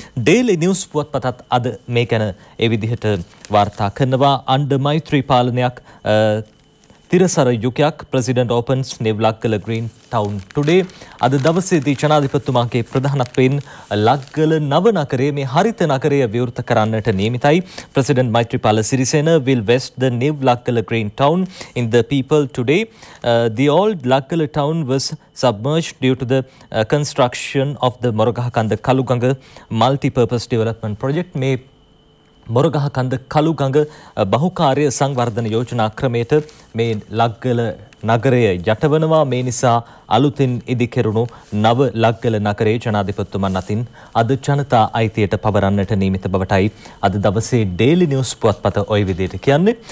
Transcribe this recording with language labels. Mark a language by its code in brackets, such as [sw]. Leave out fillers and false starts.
[si] Daily news පුවත්පතත් අද මේ ගැන ඒ විදිහට වාර්තා කරනවා. අණ්ඩ මෛත්‍රී පාලනයක් තිරසර යුගයක් [en] president ඕපන්ස් නෙව්ලක්ගල green town today [si] අද දවසේදී ජනාධිපතිතුමාගේ ප්‍රධානත්වයෙන් ලක්ගල නව නගරයේ මේ හරිත නගරය විවෘත කරන්නට නියමිතයි. [en] President Maithripala Sirisena will vest the new Lakkala Green Town in the people today. The old Lakkala town was submerged due to the construction of the Moragahakanda කලුගඟ multi-purpose development project. [si] මේ මොරගහ කන්ද කලුගඟ බහුකාර්ය සංවර්ධන යෝජනා ක්‍රමයට මේ ලක්ගල නගරය යටවනවා. මේ නිසා අලුතින් ඉදිකෙරුණු නව ලක්ගල නගරයේ ජනාධිපතිතුමන් අතින් අද ජනතා අයිතියට පවරන්නට නියමිත බවටයි අද දවසේ ඩේලි නිවුස් පුවත්පත ඔය විදිහට කියන්නේ.